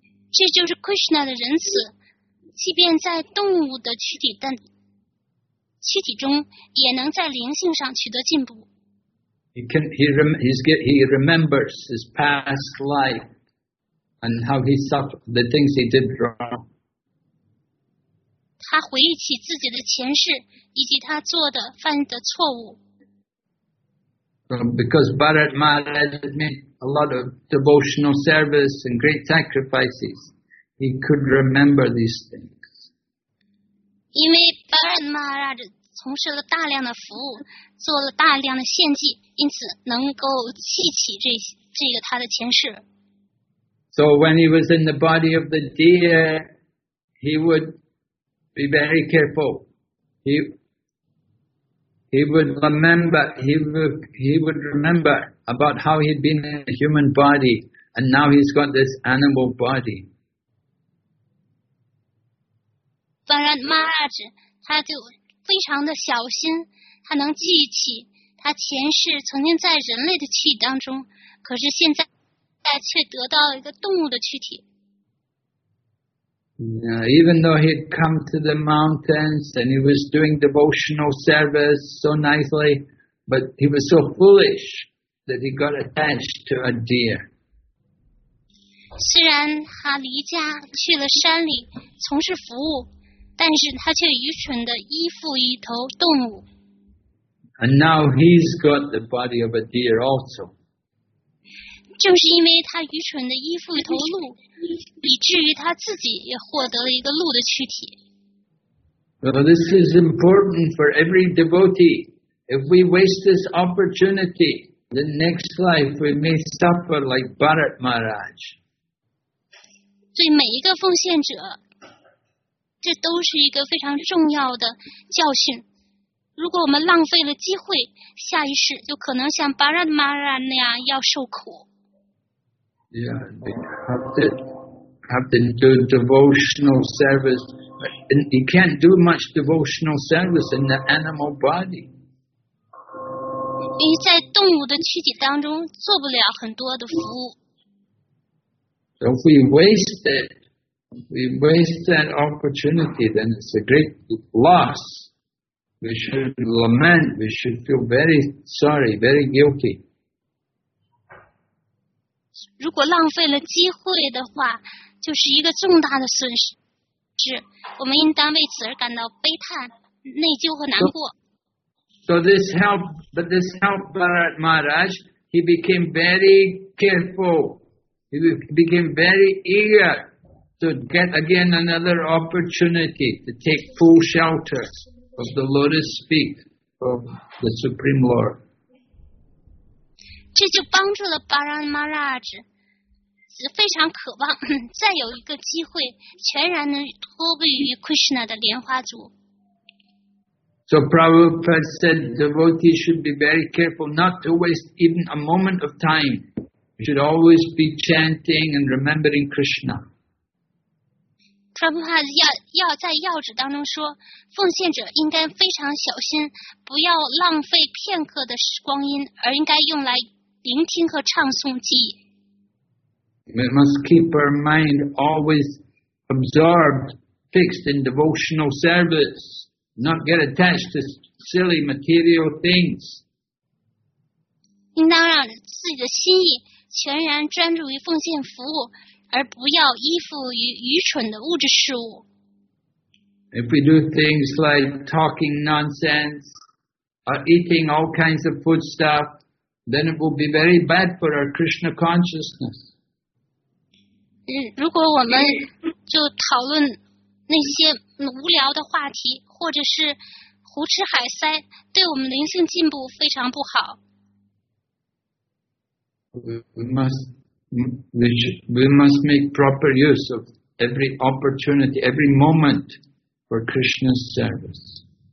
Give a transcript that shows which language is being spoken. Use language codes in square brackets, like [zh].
[zh] 这就是 Krishna 的仁慈，即便在动物的躯体中，也能在灵性上取得进步。 [en] He remembers his past life and how he suffered the things he did wrong. [zh] 他回忆起自己的前世以及他做的犯的错误。 [en] Because Bharat Maharaj made a lot of devotional service and great sacrifices, he could remember these things. [zh] 因为 Bharat Maharaj 从事了大量的服务，做了大量的献祭，因此能够记起这个他的前世。 [en] So when he was in the body of the deer, he would be very careful. He would remember about how he'd been in a human body, and now he's got this animal body. [zh] Bharat Maharaj, 他就非常的小心，他能记起他前世曾经在人类的躯体当中，可是现在却得到了一个动物的躯体。 [en] Yeah, even though he'd come to the mountains and he was doing devotional service so nicely, but he was so foolish that he got attached to a deer. [zh] 虽然他离家去了山里从事服务，但是他却愚蠢地依附一头动物。 [en] And now he's got the body of a deer also. [zh] 正是因为他愚蠢地依附一头鹿。以至于他自己也获得了一个鹿的躯体。 [en] Well, this is important for every devotee. If we waste this opportunity, the next life we may suffer like Bharat Maharaj. [zh] 对每一个奉献者，这都是一个非常重要的教训。如果我们浪费了机会，下一世就可能像 Bharat Maharaj 那样要受苦。 [en] Yeah, we have to do devotional service. And you can't do much devotional service in the animal body. [zh] 因为在动物的躯体当中做不了很多的服务。 [en] So if we waste it, we waste that opportunity, then it's a great loss. We should lament, we should feel very sorry, very guilty. [zh] 如果浪费了机会的话，就是一个重大的损失，我们应当为此而感到悲叹、内疚和难过。 [en] So this helped, but this helped Bharat Maharaj. He became very careful. He became very eager to get again another opportunity to take full shelter of the lotus feet of the Supreme Lord. [zh] 这就帮助了 Bharat Maharaj 非常渴望再有一个机会全然的脱离于 Krishna 的莲花足。 [en] So Prabhupada said devotees should be very careful not to waste even a moment of time. You should always be chanting and remembering Krishna. [zh] Prabhupada 要在要旨当中说奉献者应该非常小心不要浪费片刻的光阴而应该用来聆听和唱诵记忆。 [en] We must keep our mind always absorbed, fixed in devotional service, not get attached to silly material things. [zh] 应当让自己的心意全然专注于奉献服务，而不要依附于愚蠢的物质事物。 [en] If we do things like talking nonsense, eating all kinds of foodstuff, then it will be very bad for our Krishna consciousness. [zh] 如果我们就讨论那些无聊的话题，或者是胡吃海塞，对我们灵性进步非常不好。 [en] We must make proper use of every opportunity, every moment for Krishna's service.